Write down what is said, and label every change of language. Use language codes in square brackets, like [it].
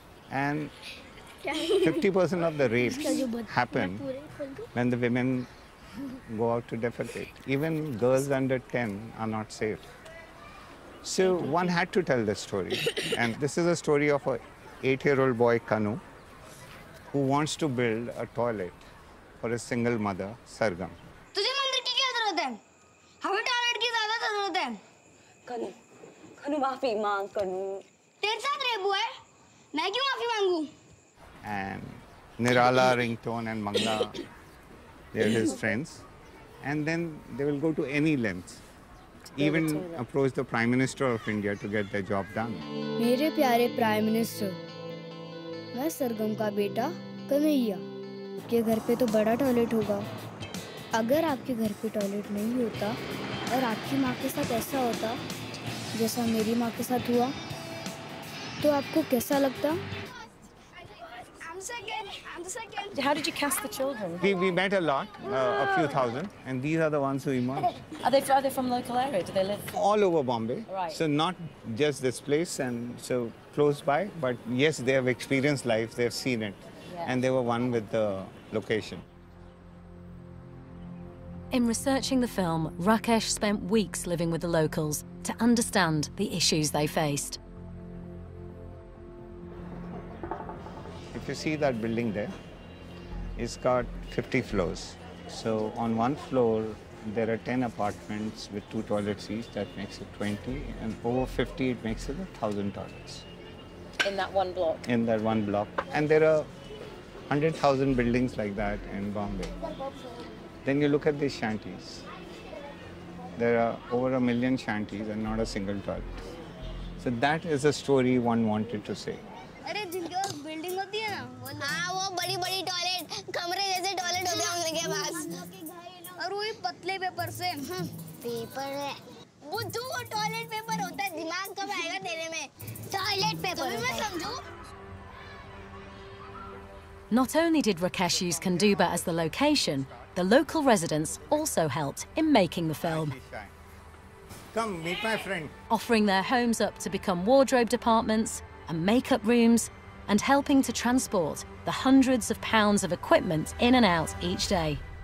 [en] And 50% of the rapes happen when the women go out to defecate. Even girls under 10 are not safe. So one had to tell the story. And this is a story of an 8-year-old boy, Kanu, who wants to build a toilet for a single mother, Sargam. [hi] तुझे मंदिर की क्या जरूरत है? हमें toilet की ज़्यादा ज़रूरत है। कनु, कनु माफ़ी मांग कनु। तेरे साथ रेबू है? मैं क्यों माफ़ी मांगू? [en] And Nirala ringtone and Mangla, they're his friends, and then they will go to any lengths, even approach the Prime Minister of India to get their job done. [hi] मेरे प्यारे Prime Minister. मैं सरगम का बेटा कन्हैया के घर पे तो बड़ा टॉयलेट होगा अगर आपके घर पे टॉयलेट नहीं होता और आपकी माँ के साथ ऐसा होता जैसा मेरी माँ के साथ हुआ तो आपको कैसा लगता [en] How did you cast the children? We met a lot, a few thousand, and these are the ones who emerged. Are they from local area? Do they live all over Bombay? Right. So not just this place, and so close by. But yes, they have experienced life. They have seen it, and they were one with the location. In researching the film, Rakesh spent weeks living with the locals to understand the issues they faced. If you see that building there, it's got 50 floors. So on one floor, There are 10 apartments with two toilets each, that makes it 20. And over 50, it makes it 1,000 toilets. In that one block? In that one block. And there are 100,000 buildings like that in Bombay. Then you look at these shanties. There are over 1 million shanties and not a single toilet. So that is a story one wanted to say. [hi] अरे जिनके पास building होती है ना वो बड़ी बड़ी toilet कमरे जैसे टॉयलेट होते हैं हम लोग के पास और वो पतले पेपर से पेपर है वो जो वो टॉयलेट पेपर होता है दिमाग कब आएगा तेरे में टॉयलेट पेपर मैं समझू. [en] Not only did Rakesh use Kanduba as the location, the local residents also helped in making the film. Come, meet my friend. Offering their homes up to become wardrobe departments and makeup rooms, and helping to transport the hundreds of pounds of equipment in and out each day.